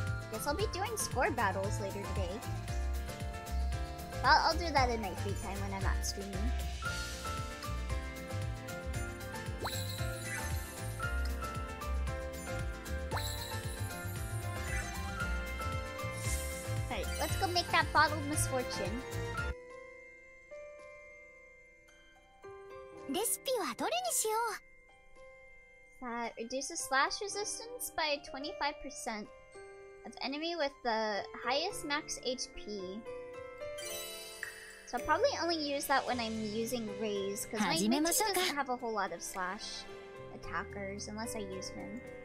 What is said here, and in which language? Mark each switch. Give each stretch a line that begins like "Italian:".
English: Guess I'll be doing score battles later today. I'll do that in my free time when I'm not streaming. Alright, let's go make that bottle of misfortune.
Japanese: レシピはどれにしよう?
English: That reduces slash resistance by 25% of enemy with the highest max HP. So I'll probably only use that when I'm using Raze, because my Mitsu doesn't have a whole lot of slash attackers unless I use him.